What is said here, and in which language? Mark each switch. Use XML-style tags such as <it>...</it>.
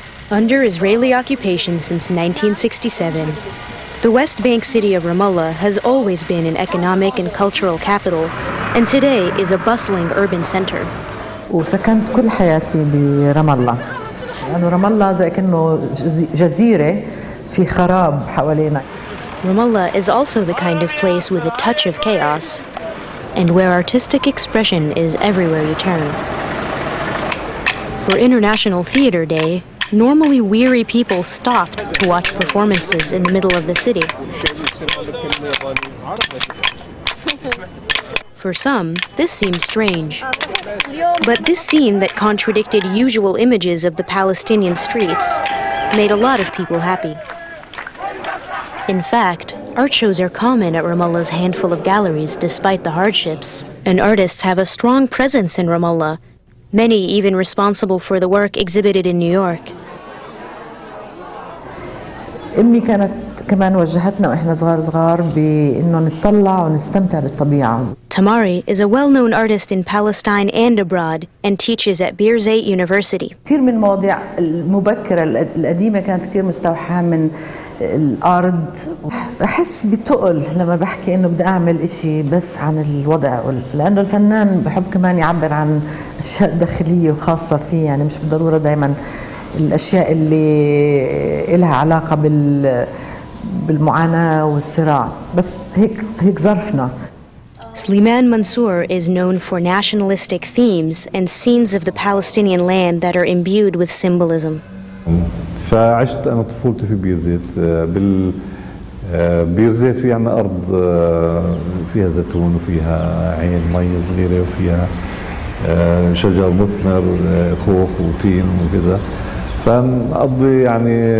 <en>Under Israeli occupation since 1967, the West Bank city of Ramallah has always been an economic and cultural capital, and today is a bustling urban center.</en> <ar>وسكنت كل حياتي برام الله. يعني رام الله زي كأنه جزيرة في خراب حوالينا.</ar> <en>Ramallah is also the kind of place with a touch of chaos, and where artistic expression is everywhere you turn. For International Theater Day, normally weary people stopped to watch performances in the middle of the city. For some, this seemed strange. But this scene that contradicted usual images of the Palestinian streets made a lot of people happy. In fact, art shows are common at Ramallah's handful of galleries despite the hardships. And artists have a strong presence in Ramallah, many even responsible for the work exhibited in New York.</en> <ar>أمي كانت كمان وجهتنا وإحنا صغار صغار بإنه نتطلع ونستمتع بالطبيعة.</ar> <en>Tamari is a well-known artist in Palestine and abroad and teaches at Bir Zeit University.</en> <ar>كثير من المواضيع المبكرة القديمة كانت كثير مستوحاة من الأرض. أحس بتقل لما بحكي إنه بدي أعمل إشي بس عن الوضع لأنه الفنان بحب كمان يعبر عن أشياء داخلية وخاصة فيه يعني مش بالضرورة دائما الأشياء اللي إلها علاقة بالمعاناة والصراع بس هيك ظرفنا.</ar> <en>Sliman Mansour is known for nationalistic themes and scenes of the Palestinian land that are imbued with symbolism.</en> <ar>فعشت أنا طفولتي في بير زيت بير زيت في عنا أرض فيها زيتون وفيها عين مية صغيرة وفيها شجر مثمر خوخ وتين وكذا فنقضي يعني</ar>